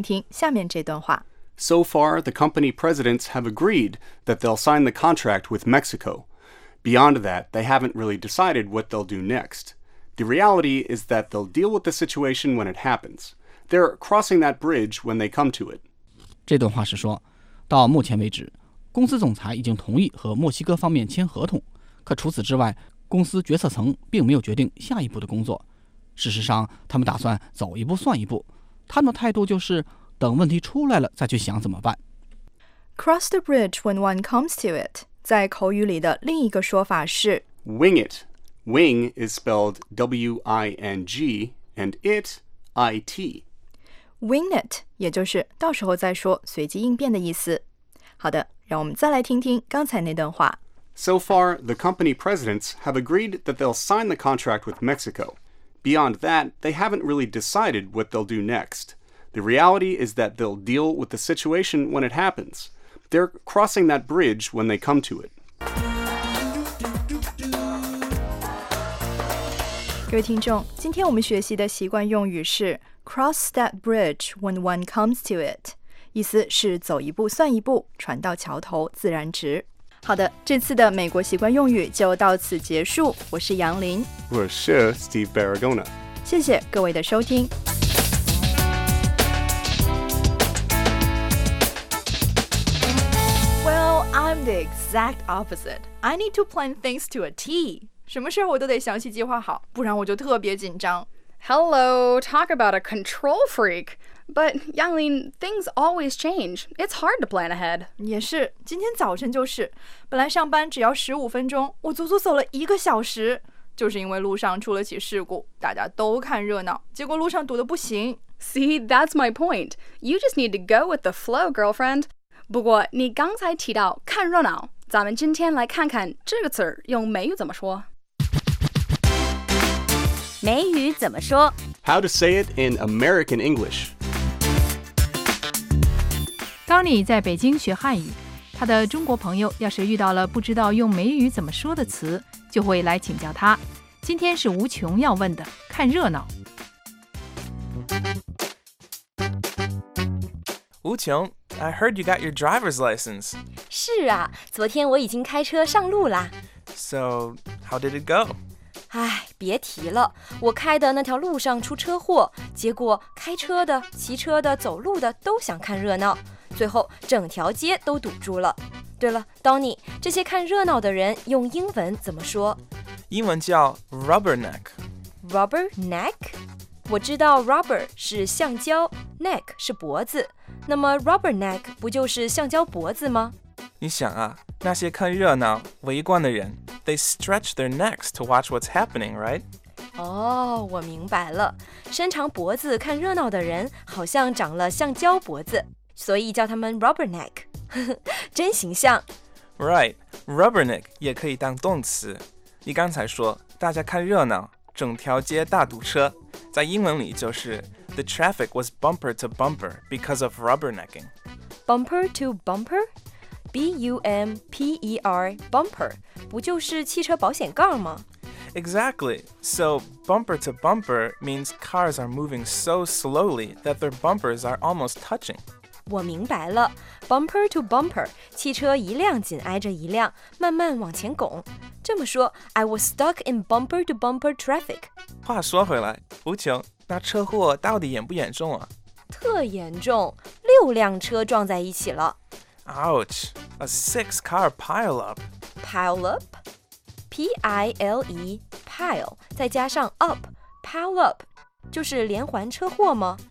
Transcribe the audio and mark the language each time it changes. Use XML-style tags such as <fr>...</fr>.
<en>So far, the company presidents have agreed that they'll sign the contract with Mexico. Beyond that, they haven't really decided what they'll do next. The reality is that they'll deal with the situation when it happens. They're crossing that bridge when they come to it.</en> <zh>这段话是说，到目前为止，公司总裁已经同意和墨西哥方面签合同，可除此之外，公司决策层并没有决定下一步的工作。事实上，他们打算走一步算一步，他们的态度就是等问题出来了再去想怎么办。</zh> <en>Cross the bridge when one comes to it，</en> <zh>在口语里的另一个说法是</zh> <en>Wing it。 Wing is spelled W-I-N-G and it, I-T.</en> <zh>Wing it, 也就是到时候再说随机应变的意思。好的，让我们再来听听刚才那段话。</zh> <en>So far, the company presidents have agreed that they'll sign the contract with Mexico. Beyond that, they haven't really decided what they'll do next. The reality is that they'll deal with the situation when it happens. They're crossing that bridge when they come to it.</en> <zh>各位听众，今天我们学习的习惯用语是 cross that bridge when one comes to it， 意思是走一步算一步，船到桥头自然直。好的，这次的美国习惯用语就到此结束。我是杨林，我是 Steve Barragona，谢谢各位的收听。</zh> <en>Well, I'm the exact opposite. I need to plan things to a T.</en> <zh>什么事我都得详细计划好，不然我就特别紧张。</zh> <en>Hello, talk about a control freak. But, Yanglin, things always change. It's hard to plan ahead.</en> <zh>也是，今天早晨就是，本来上班只要15分钟，我足足走了一个小时，就是因为路上出了起事故，大家都看热闹，结果路上堵得不行。</zh> <en>See, that's my point. You just need to go with the flow, girlfriend.</en> <zh>不过你刚才提到看热闹。咱们今天来看看这个词儿用美语怎么说。美语怎么说</zh> <en>？How to say it in American English？</en> <zh>当你在北京学汉语，他的中国朋友要是遇到了不知道用美语怎么说的词，就会来请教他。今天是无穷要问的，看热闹。无穷。</zh> <en>I heard you got your driver's license.</en> <zh>是啊，昨天我已经开车上路了。</zh> <en>So, how did it go?</en> <zh>哎，别提了，我开的那条路上出车祸，结果开车的、骑车的、走路的都想看热闹，最后整条街都堵住了。对了 ，Donnie， 这些看热闹的人用英文怎么说？英文叫 rubberneck。</zh> <en>Rubberneck？</en> <zh>我知道 rubber 是橡胶 ，neck 是脖子。那么 rubber neck 不就是橡胶脖子吗？你想啊，那些看热闹、围观的人</zh> <en>，they stretch their necks to watch what's happening, right?</en> <zh>哦，我明白了，伸长脖子看热闹的人好像长了橡胶脖子，所以叫他们 rubber neck， 真形象。</zh> <en>Right,</en> <zh>rubber neck 也可以当动词。你刚才说大家看热闹，整条街大堵车，在英文里就是。</zh> <en>The traffic was bumper to bumper because of rubbernecking. Bumper to bumper? B-U-M-P-E-R, bumper.</en> <zh>不就是汽车保险杠吗？</zh> <en>Exactly. So bumper to bumper means cars are moving so slowly that their bumpers are almost touching.</en> <zh>我明白了。 Bumper to bumper, 汽车一辆紧挨着一辆，慢慢往前拱。这么说</zh> <en>,I was stuck in bumper to bumper traffic.</en> <zh>话说回来，无穷。那车祸到底严不严重啊？特严重，六辆车撞在一起了。</zh> <en>Ouch! A six car pile up. Pile up?</en> <zh>P-I-L-E, pile, 再加上 up, pile up, 就是连环车祸吗？</zh>